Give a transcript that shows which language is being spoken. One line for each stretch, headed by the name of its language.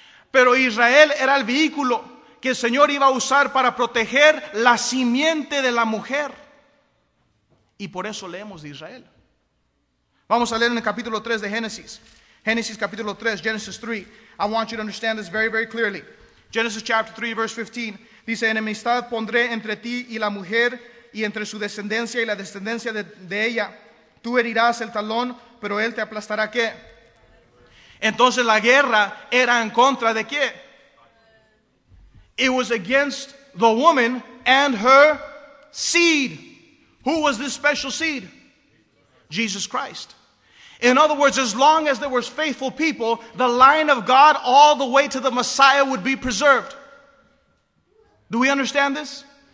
Spanish: Pero Israel era el vehículo que el Señor iba a usar para proteger la simiente de la mujer. Y por eso leemos de Israel. Vamos a leer en el capítulo 3 de Génesis. Génesis capítulo 3, Genesis 3.
English: I want you to understand this very, very clearly. Genesis chapter 3 verse 15
Spanish: dice, enemistad pondré entre ti y la mujer y entre su descendencia y la descendencia de ella. Tú herirás el talón, pero él te aplastará ¿qué? Entonces la guerra era en contra de ¿qué?
English: It was against the woman and her seed. Who was this special seed? Jesus Christ. In other words, as long as there was faithful people, the line of God all the way to the Messiah would be preserved. Do we understand this?